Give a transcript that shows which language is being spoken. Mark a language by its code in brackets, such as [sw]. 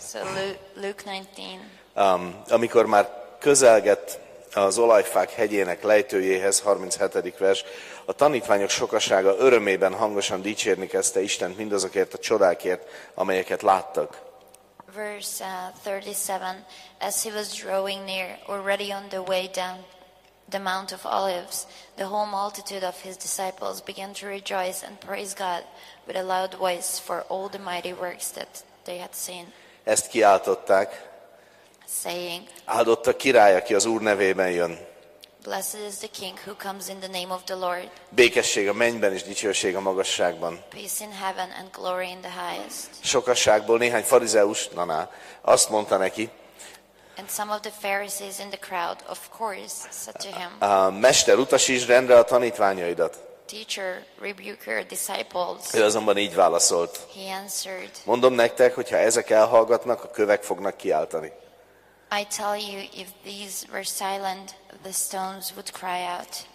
[en] So Luke 19. [hu] Amikor már közelgett az olajfák hegyének lejtőjéhez, 37. vers, a tanítványok sokasága örömében hangosan dicsérni kezdte Istent mindazokért a csodákért, amelyeket láttak. [en] Verse 37. As he was drawing near, already on the way down the Mount of Olives, the whole multitude of his disciples began to rejoice and praise God with a loud voice for all the mighty works that they had seen. [hu] Ezt kiáltották. [en] Saying, [hu] áldott a király, aki az Úr nevében jön. [en] Blessed is the King who comes in the name of the Lord. [hu] Békesség a mennyben és dicsőség a magasságban. [en] Peace in heaven and glory in the highest. [hu] Sokasságból néhány farizeus, azt mondta neki, [en] and some of the Pharisees in the crowd, of course, said to him, [hu] Mester, utasítsd rendre a tanítványaidat. [en] Teacher, rebuke your disciples. [hu] Ő azonban így válaszolt. [en] He answered, [hu] mondom nektek, hogyha ezek elhallgatnak, a kövek fognak kiáltani. [en] I tell you, if these were silent, the stones would cry out.